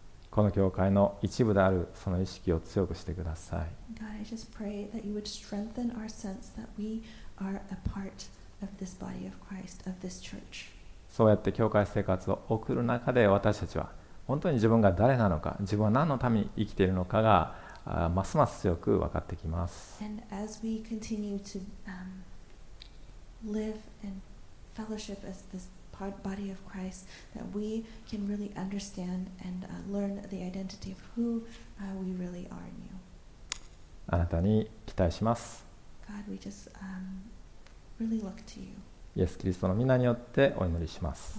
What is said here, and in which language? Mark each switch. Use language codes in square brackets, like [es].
[ja] この教会の一部であるその意識を強くしてください。 [en] God, I just pray that you would strengthen our sense that we are a part of this body of Christ, of this church. [ja] そうやって教会生活を送る中で私たちは本当に自分が誰なのか、自分は何のために生きているのかがますます強く分かってきます。 [en] And as we continue to live and fellowship as thisBody of Christ, that we can really understand and learn the identity of who we really are in you. [ja] あなたに期待します。 [en] God, we just really look to you. [ja] イエス・キリストの御名によってお祈りします。